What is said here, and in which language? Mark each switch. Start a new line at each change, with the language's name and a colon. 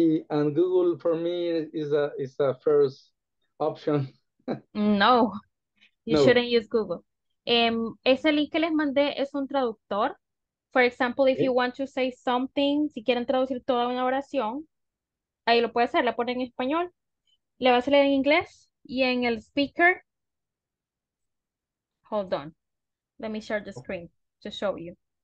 English: And Google for me is a first option. No, shouldn't use Google.
Spanish: Ese link que les mandé es un traductor.
English: For example, if you want to say something,
Spanish: si quieren traducir toda una oración, ahí lo puede hacer, la pone en español, le va a salir en inglés y en el speaker.
English: Hold on. Let me share the screen to show you.